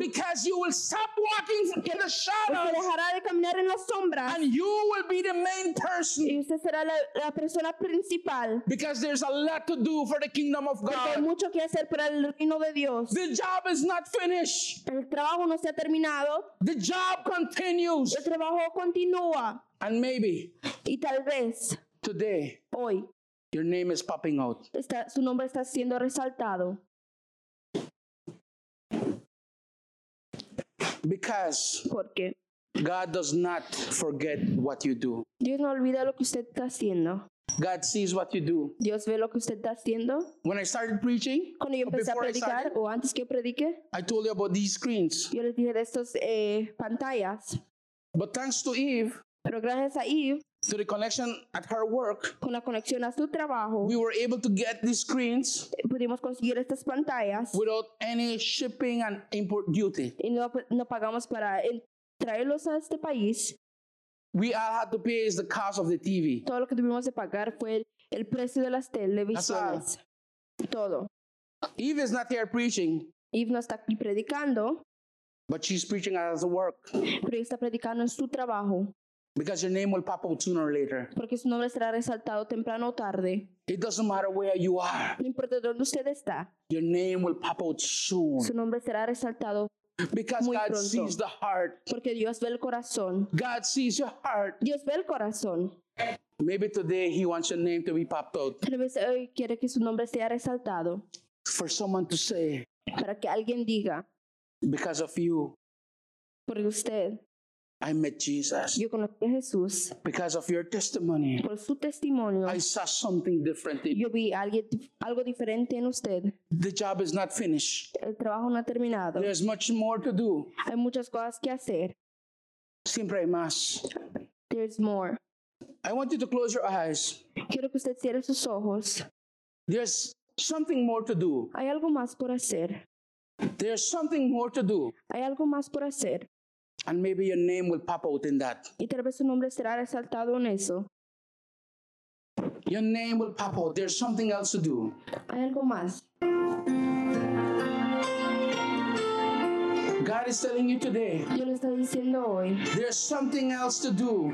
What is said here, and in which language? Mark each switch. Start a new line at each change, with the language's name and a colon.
English: Because you will stop walking in the shadows.
Spanish: Porque dejará de caminar en las sombras.
English: And you will be the main person.
Spanish: Y usted será la persona principal.
English: Because there's a lot to do for the kingdom of God.
Spanish: Porque hay mucho que hacer para el reino de Dios.
English: The job is not finished.
Spanish: El trabajo no se ha terminado.
English: The job continues.
Spanish: El trabajo continúa.
English: And maybe.
Spanish: Y tal vez.
English: Today.
Spanish: Hoy.
English: Your name is popping out.
Spanish: Su nombre está siendo resaltado.
English: Because.
Spanish: Porque.
English: God does not forget what you do.
Spanish: Dios no olvida lo que usted está haciendo.
English: God sees what you do.
Spanish: Dios ve lo que usted está haciendo.
English: When I started preaching,
Spanish: cuando yo empecé a predicar, o antes que yo predique,
English: I told you about these screens.
Spanish: Yo les dije de estos pantallas.
English: But thanks to Eve,
Spanish: pero gracias a Eve,
English: to the connection at her work,
Spanish: con la conexión a su trabajo,
English: we were able to get these screens,
Spanish: pudimos conseguir estas pantallas,
English: without any shipping and import duty.
Spanish: Y no pagamos para traerlos a este país.
English: We all had to pay is the cost of the TV.
Spanish: Todo lo que tuvimos de pagar fue el precio de las televisiones. Todo.
English: Eve is not here preaching.
Spanish: Eve no está aquí predicando.
English: But she's preaching as a work.
Spanish: Pero ella está predicando en su trabajo.
English: Because your name will pop out sooner or later.
Spanish: Porque su nombre será resaltado temprano o tarde.
English: It doesn't matter where you are.
Spanish: No importa dónde usted está.
English: Your name will pop out soon.
Spanish: Su nombre será resaltado.
English: Because
Spanish: muy
English: God
Spanish: pronto.
English: Sees the heart.
Spanish: Porque Dios ve el corazón.
English: God sees your heart.
Spanish: Dios ve el corazón.
English: Maybe today he wants your name to be popped out.
Spanish: Tal vez hoy quiere que su nombre sea resaltado.
English: For someone to say.
Spanish: Para que alguien diga.
English: Because of you.
Spanish: Por usted.
English: I met Jesus.
Spanish: Yo conocí a Jesús.
English: Because of your testimony.
Spanish: Por su testimonio.
English: I saw something different in you.
Spanish: Yo vi algo diferente en usted.
English: The job is not finished.
Spanish: El trabajo no ha terminado.
English: There's much more to do.
Spanish: Hay muchas cosas que hacer. Siempre hay más.
English: There's more. I want you to close your eyes.
Spanish: Quiero que usted cierre sus ojos.
English: There's something more to do.
Spanish: Hay algo más por hacer.
English: There's something more to do.
Spanish: Hay algo más por hacer.
English: And maybe your name will pop out in that.
Spanish: Y tal vez su nombre será resaltado en eso.
English: Your name will pop out. There's something else to do.
Spanish: Hay algo más.
English: God is telling you today.
Spanish: Yo le estoy diciendo hoy.
English: There's something else to do.